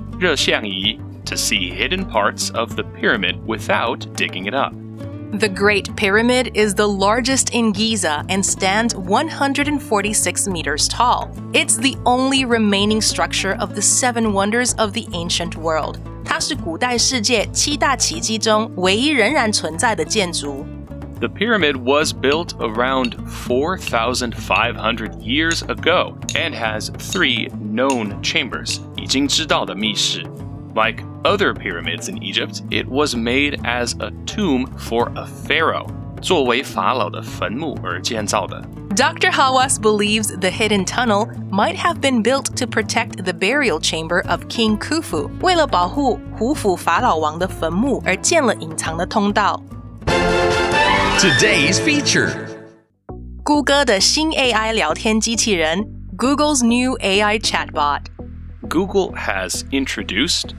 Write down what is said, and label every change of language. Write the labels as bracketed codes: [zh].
[zh] 热像仪, [en] to see hidden parts of the pyramid without digging it up. The Great Pyramid is the largest in Giza and stands 146 meters tall. It's the only remaining structure of the seven wonders of the ancient world. [zh] 它是古代世界七大奇迹中唯一仍然存在的建筑。 [en] The pyramid was built around 4,500 years ago and has three known chambers, [zh] 已经知道的密室。 [en] Like other pyramids in Egypt, it was made as a tomb for a pharaoh, [zh] 作为法老的坟墓而建造的。 [en] Dr. Hawass believes the hidden tunnel might have been built to protect the burial chamber of King Khufu, [zh] 为了保护胡府法老王的坟墓而建了隐藏的通道。 [en] Today's feature. [zh] 谷歌的新 AI 聊天机器人, [en] Google's new AI chatbot. Google has introduced,